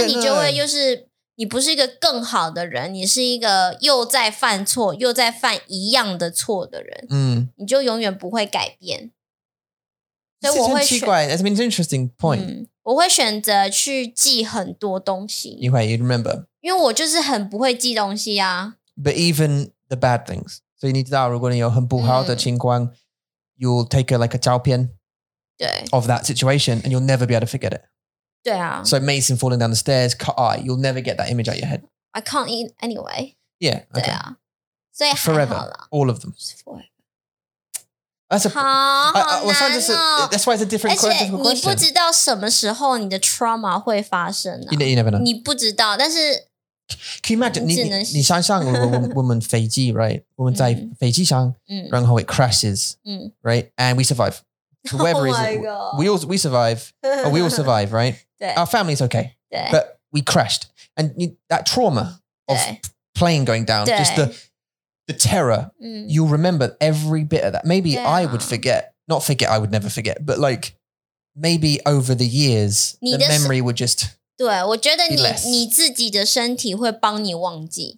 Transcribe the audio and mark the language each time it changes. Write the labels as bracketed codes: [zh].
[zh] 那你就会又是，你不是一个更好的人，你是一个又再犯错，又再犯一样的错的人。嗯。你就永远不会改变。所以我会选。这是很奇怪。 [en] That's an interesting point. [zh] 我会选择去记很多东西。你会, [en] you remember. [zh] 因为我就是很不会记东西啊。 [en] But even the bad things. So you need to know, [zh] 如果你有很不好的情况, [en] you'll take a, like a 照片 of that situation and you'll never be able to forget it. [zh] 对啊。 [en] So Mason falling down the stairs, cut eye, you'll never get that image out of your head. I can't eat anyway. Yeah, okay. [zh] 对啊。所以还好啦。 [en] Forever, all of them. That's why it's a different question. [zh] 你不知道什么时候你的 trauma 会发生。 [en] You never know. [zh] 你不知道，但是 [en] Can you imagine? [zh] 你想想我们飞机 [en] right? [zh] 我们在飞机上，然后 [en] it crashes, right? And we survive. Whoever is it, we survive. Oh, we all survive, right? Our family's okay, but we crashed, and that trauma of plane going down, just the terror, you'll remember every bit of that. Maybe I would forget, not forget, I would never forget, but like maybe over the years, the memory would just [zh] 对，我觉得你自己的身体会帮你忘记。